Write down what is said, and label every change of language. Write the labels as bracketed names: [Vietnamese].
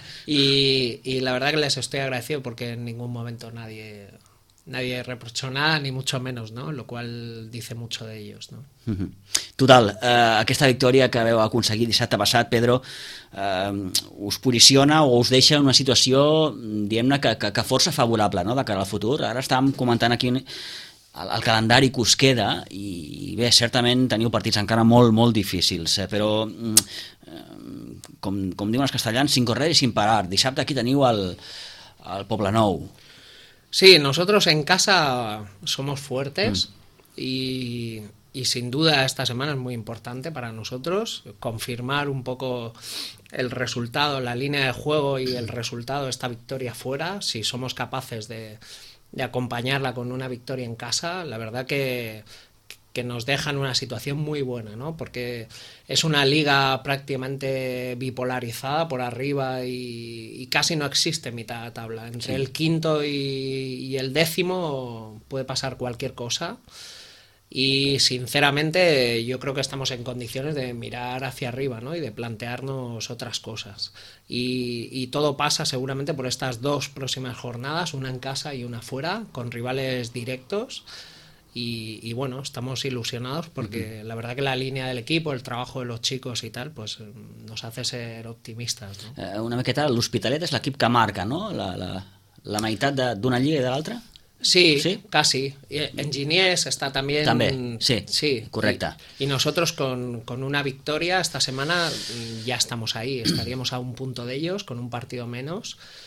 [Spanish] Y la verdad que les estoy agradecido porque en ningún momento nadie reprochó nada, ni mucho menos, ¿no? Lo cual dice mucho de ellos, ¿no? [Catalan] Total, aquesta victòria que vau aconseguir dissabte passat, Pedro, us posiciona o us deixa en una situació, diguem-ne, que força favorable, no?, de cara al futur. Ara estàvem comentant aquí el calendari que us queda i bé, certament teniu partits encara molt, molt difícils, però com diuen els castellans, [Spanish] sin correr y sin parar. [Catalan] Dissabte aquí teniu el Poblenou. [Spanish] Sí, nosotros en casa somos fuertes y sin duda esta semana es muy importante para nosotros confirmar un poco el resultado, la línea de juego y el resultado de esta victoria fuera. Si somos capaces de acompañarla con una victoria en casa, la verdad que nos deja en una situación muy buena, ¿no? Porque es una liga prácticamente bipolarizada por arriba y casi no existe mitad de tabla. Entre el quinto y el décimo puede pasar cualquier cosa. Y sinceramente yo creo que estamos en condiciones de mirar hacia arriba, ¿no?, y de plantearnos otras cosas. Y todo pasa seguramente por estas dos próximas jornadas, una en casa y una fuera, con rivales directos. Y bueno, estamos ilusionados porque la verdad que la línea del equipo, el trabajo de los chicos y tal, pues nos hace ser optimistas, ¿no? [Catalan] Una miqueta, l'Hospitalet és l'equip que marca, ¿no?, la meitat d'una lliga i de l'altra? [Spanish] Sí, sí, casi. Enginyers está también. También, sí, sí, correcta. Y nosotros con una victoria esta semana ya estamos ahí, estaríamos a un punto de ellos con un partido menos.